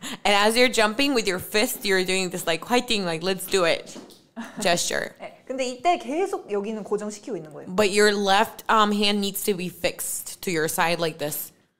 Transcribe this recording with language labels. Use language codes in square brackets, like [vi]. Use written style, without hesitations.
[en] And as you're jumping with your fist, you're doing this like fighting, like let's do it gesture. [ko] 근데 이때 계속 여기는 고정시키고 있는 거예요. [en] But your left hand needs to be fixed to your side like this.